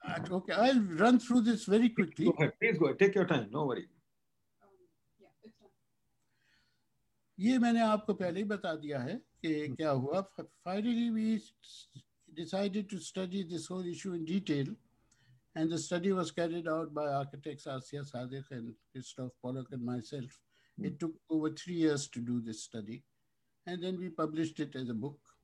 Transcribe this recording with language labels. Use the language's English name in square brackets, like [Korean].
[English] Okay, I'll run through this very quickly. Go ahead. Please go ahead. Take your time. No worry. [Hindi] ये मैंने आपको पहले ही बता दिया है कि क्या हुआ. [English] Finally, we decided to study this whole issue in detail, and the study was carried out by architects Asia Sadiq and Christoph Pollock and myself. It took over 3 years to do this study, and then we published it as a book.